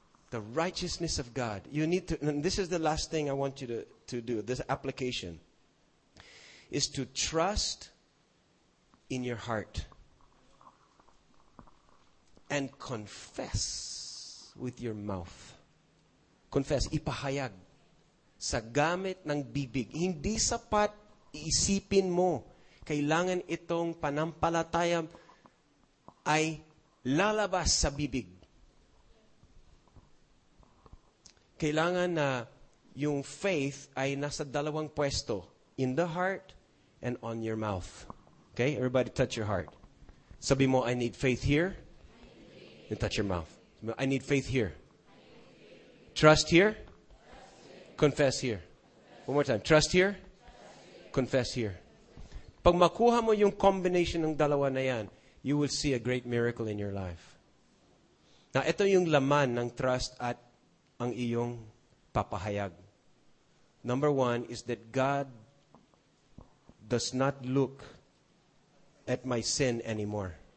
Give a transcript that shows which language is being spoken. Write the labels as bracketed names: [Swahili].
[English] The righteousness of God. You need to, and this is the last thing I want you to do, this application, is to trust in your heart and confess with your mouth. [Filipino] Confess, ipahayag sa gamit ng bibig. Hindi sapat iisipin mo. Kailangan itong panampalataya ay lalabas sa bibig. Kailangan na yung faith ay nasa dalawang pwesto, [English] in the heart and on your mouth. Okay, everybody touch your heart. [Filipino] Sabi mo, [English] I need faith here. And touch your mouth. I need faith here. Trust here. Confess here. One more time. Trust here. Confess here. [Filipino] Pag makuha mo yung combination ng dalawa na yan, [English] you will see a great miracle in your life. [Filipino] Now, ito yung laman ng trust at ang iyong papahayag. [English] Number one is that God does not look at my sin anymore.